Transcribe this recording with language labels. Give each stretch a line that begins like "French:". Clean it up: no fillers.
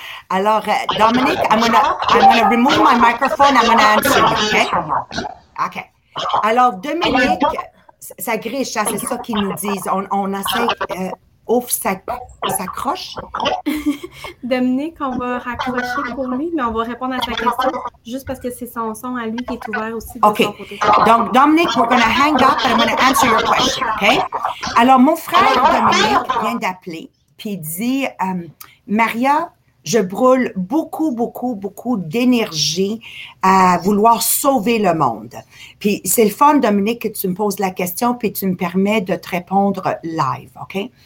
English: Alors, Dominique, I'm gonna remove my microphone, I'm gonna answer, okay? Okay.
French: Alors, Dominique, ça griche, hein, c'est ça qu'ils nous disent. On essaie, ouf, ça croche. Dominique, on va raccrocher pour lui, mais on va répondre à sa question, juste parce que c'est son son à lui qui est ouvert aussi. OK.
English: Donc, Dominique, we're gonna hang up and I'm gonna answer your question, okay?
French: Alors, mon frère Dominique vient d'appeler, puis il dit, Maria, je brûle beaucoup, beaucoup, beaucoup d'énergie à vouloir sauver le monde. Puis, c'est le fun, Dominique, que tu me poses la question puis tu me permets de te répondre live, OK?